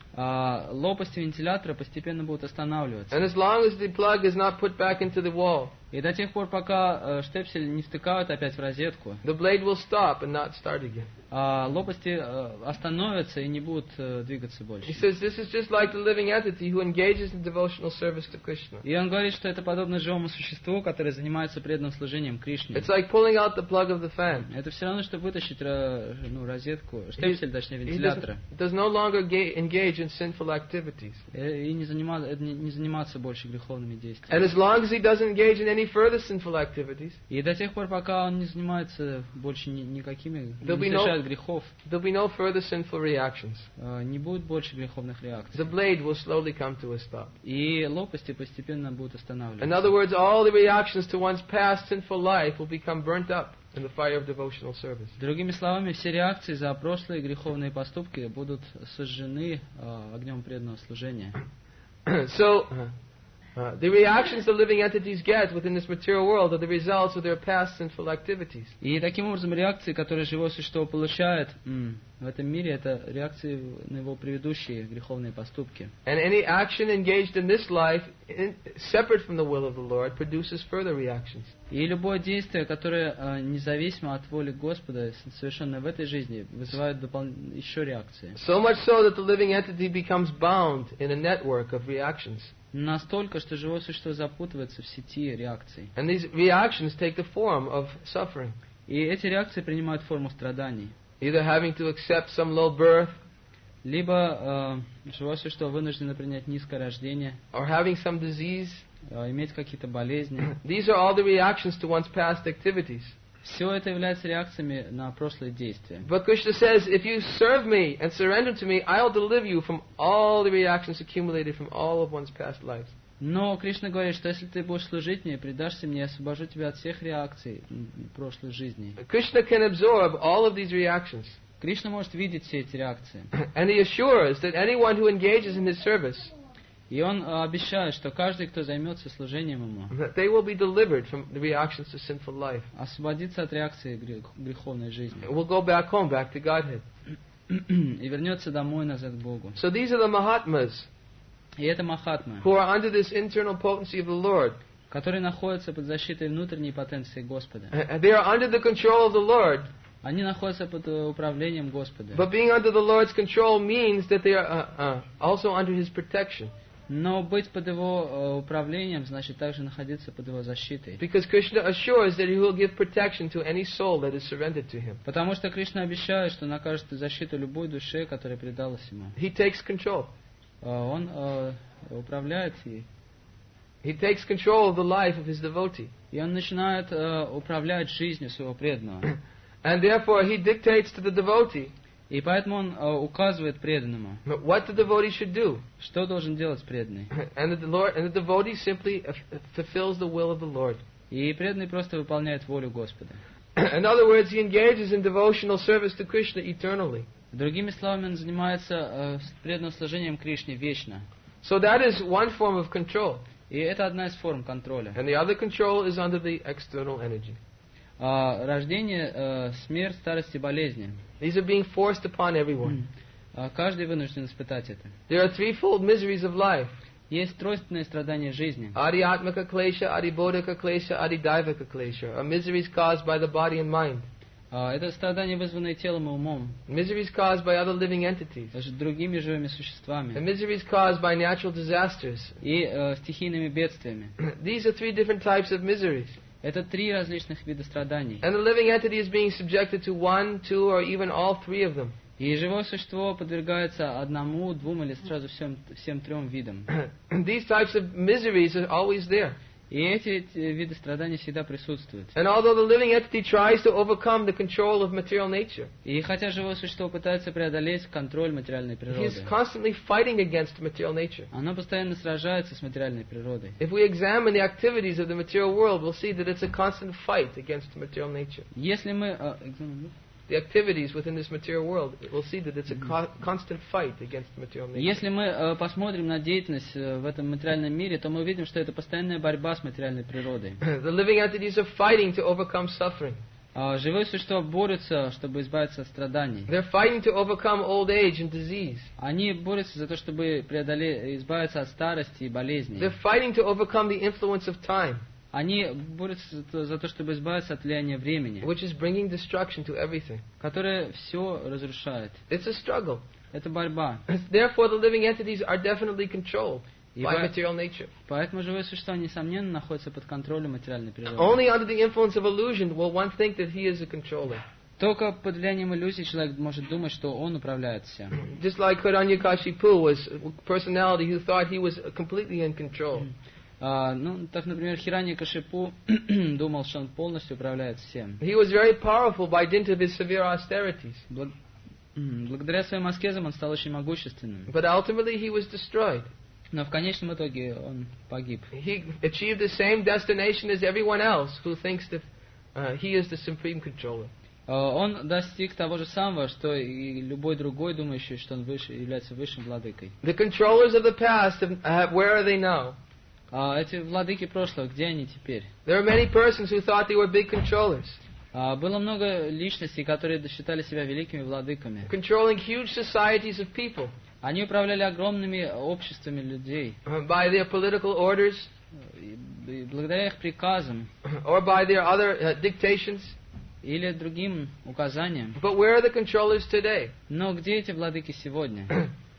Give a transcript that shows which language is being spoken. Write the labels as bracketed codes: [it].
[ru] Лопасти вентилятора постепенно будут останавливаться. [en] And as long as the plug is not put back into the wall. [ru] И до тех пор, пока штепсель не втыкают опять в розетку. [en] The blade will stop and not start again. [ru] Лопасти остановятся и не будут двигаться больше. [en] He says this is just like the living entity who engages in devotional service to Krishna. [ru] И он говорит, что это подобно живому существу, которое занимается преданным служением Кришне. [en] It's like pulling out the plug of the fan. [ru] Это все равно, что вытащить розетку, штепсель, точнее вентилятора. [en] He does no longer engage in sinful activities. [ru] И не заниматься больше греховными действиями. [en] And as long as he doesn't engage in any further sinful activities. [ru] И до тех пор, пока он не занимается больше никакими грехов. [en] There'll be no further sinful reactions. [ru] Не будет больше греховных реакций. [en] The blade will slowly come to a stop. [ru] И лопасти постепенно будут останавливаться. [en] In other words, all the reactions to one's past sinful life will become burnt up in the fire of devotional service. [ru] Другими словами, все реакции за прошлые греховные поступки будут сожжены огнем преданного служения. [en] So the reactions the living entities get within this material world are the results of their past sinful activities. [ru] И таким образом реакции, которые живое существо получает в этом мире, это реакции на его предыдущие греховные поступки. [en] And any action engaged in this life, separate from the will of the Lord, produces further reactions. [ru] И любое действие, которое независимо от воли Господа, совершенно в этой жизни, вызывает еще реакции. [en] So much so that the living entity becomes bound in a network of reactions. [ru] Настолько, что живое существо запутывается в сети реакций. [en] And these reactions take the form of suffering. [ru] И эти реакции принимают форму страданий. [en] Either having to accept some low birth. [ru] Либо живое существо вынуждено принять низкое рождение. [en] Or having some disease. [ru] Иметь какие-то болезни. [en] These are all the reactions to one's past activities. [ru] Все это является реакциями на прошлые действия. [en] But Krishna says, if you serve me and surrender to me, I'll deliver you from all the reactions accumulated from all of one's past lives. [ru] Но Кришна говорит, что если ты будешь служить мне, предашься мне, я освобожу тебя от всех реакций прошлой жизни. [en] Krishna can absorb all of these reactions. [ru] Кришна может видеть все эти реакции. [en] And he assures that anyone who engages in his service. [ru] И он обещает, что каждый, кто займется служением ему, [en] they will be delivered from the reactions to sinful life. [ru] Освободится от реакции греховной жизни. [en] Will go back home, back to Godhead. [ru] И вернется домой назад к Богу. [en] So these are the Mahatmas. [ru] И это Махатмы. [en] Who are under this internal potency of the Lord. [ru] Которые находятся под защитой внутренней потенции Господа. [en] They are under the control of the Lord. [ru] Они находятся под управлением Господа. [en] But being under the Lord's control means that they are also under His protection. [ru] Но быть под его управлением значит также находиться под его защитой. [en] Because Krishna assures that he will give protection to any soul that is surrendered to him. [ru] Потому что Кришна обещает, что он окажет защиту любой душе, которая предалась ему. [en] He takes control. [ru] Он управляет ей. [en] He takes control of the life of his devotee. [ru] И он начинает управлять жизнью своего преданного. [en] And therefore he dictates to the devotee. [ru] И поэтому он указывает преданному. [en] What the devotee should do? [ru] Что должен делать преданный? [en] And the Lord, and the devotee simply fulfills the will of the Lord. [ru] И преданный просто выполняет волю Господа. [en] In other words, he engages in devotional service to Krishna eternally. [ru] Другими словами, он занимается преданным служением Кришне вечно. [en] So that is one form of control. [ru] И это одна из форм контроля. [en] And the other control is under the external energy. [ru] Рождение, смерть, старость и болезни. [en] These are being forced upon everyone. [ru] Каждый вынужден испытать это. [en] There are threefold miseries of life. [ru] Есть тройственные страдания жизни. [sa] Ариатмака клеша, арибодхака клеша, аридайвака клеша. [en] Are miseries caused by the body and mind. [ru] Это страдания, вызванные телом и умом. [en] Miseries caused by other living entities. [ru] Другими живыми существами. [en] And miseries caused by natural disasters. [ru] И стихийными бедствиями. [en] These are three different types of miseries. [ru] Это три различных вида страданий. [en] And the living entity is being subjected to one, two, or even all three of them. [ru] И живое существо подвергается одному, двум или сразу всем трем видам. [en] These types of miseries are always there. [ru] И эти виды страданий всегда присутствуют. [en] And although the living entity tries to overcome the control of material nature, [ru] и хотя живое существо пытается преодолеть контроль материальной природы, [en] he is constantly fighting against material nature. [ru] Оно постоянно сражается с материальной природой. [en] If we examine the activities of the material world, we'll see that it's a constant fight against material nature. [ru] Если мы [en] the activities within this material world, we'll see that it's a constant fight against material nature. [ru] Если мы посмотрим на деятельность в этом материальном мире, то мы увидим, что это постоянная борьба с материальной природой. [en] The living entities are fighting to overcome suffering. [ru] Живые существа борются, чтобы избавиться от страданий. [en] They're fighting to overcome old age and disease. [ru] Они борются за то, чтобы избавиться от старости и болезней. [en] They're fighting to overcome the influence of time. [ru] Они борются за то, чтобы избавиться от влияния времени, [en] which is bringing destruction to everything. [ru] Которое все разрушает. [en] It's a struggle. [ru] Это борьба. [en] Therefore, the living entities are definitely controlled by material nature. [ru] Поэтому живое существо, несомненно, находится под контролем материальной природы. [en] Only under the influence of illusion will one think that he is a controller. [ru] Только под влиянием иллюзий человек может думать, что он управляет всем. [en] Just like Hiranyakashipu was a personality who thought he was completely in control. [ru] Так, например, Хираньякашипу думал, что он полностью управляет всем. [en] He was very powerful by dint of his severe austerities. [ru] Благодаря своим аскезам он стал очень могущественным. [en] But ultimately he was destroyed. [ru] Но в конечном итоге он погиб. [en] He achieved the same destination as everyone else who thinks that he is the supreme controller. [ru] Он достиг того же самого, что и любой другой, думающий, что он выше, является высшим владыкой. [en] The controllers of the past, where are they now? [ru] Эти владыки прошлого, где они теперь? [en] There are many persons who thought they were big controllers. [ru] Было много личностей, которые считали себя великими владыками. [en] Controlling huge societies of people. [ru] Они управляли огромными обществами людей. [en] By their political orders. [ru] Благодаря их приказам. [en] Or by their other dictations. [ru] Или другим указаниям. [en] But where are the controllers today? [ru] Но где эти владыки сегодня?